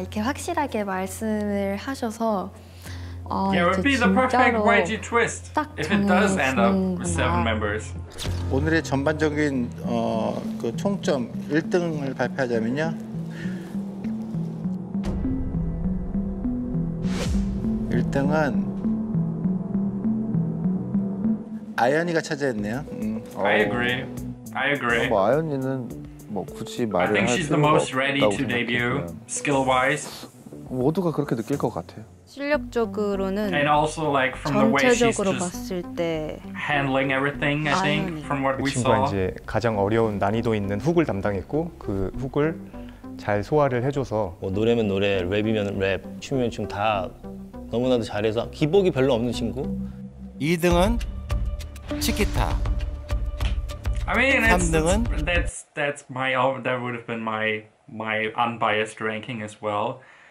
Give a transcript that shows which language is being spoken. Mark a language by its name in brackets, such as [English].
[Korean] 이렇게 확실하게 말씀을 하셔서 [English] Yeah, it would be the perfect YG twist if it does end up with 7 members. [Korean] 오늘의 전반적인 그 총점 1등을 발표하자면요. 1등은 아연이가 차지했네요. [English] I agree. [Korean] 뭐 아연이는 뭐 굳이 말을 [English] I think she's the most ready to debut skill wise. [Korean] 모두가 그렇게 느낄 것 같아요. 실력적으로는 [English] And also like from the way she's just handling everything I think from what we saw. [Korean] 이제 가장 어려운 난이도 있는 훅을 담당했고 그 훅을 잘 소화를 해 줘서 뭐 노래면 노래, 랩이면 랩, 춤이면 춤 다 너무나도 잘해서 기복이 별로 없는 친구. 2등은 치키타. [English] I mean, 3등은 that would have been my unbiased ranking as well.